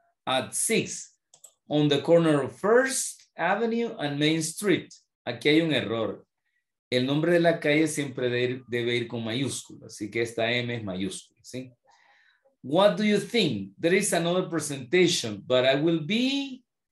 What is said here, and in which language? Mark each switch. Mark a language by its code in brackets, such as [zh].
[en] At 6, on the corner of First Avenue and Main Street. [es] Aquí hay un error. El nombre de la calle siempre debe ir con mayúsculas, así que esta M es mayúscula, ¿sí? [en] What do you think? There is another presentation, but I will be...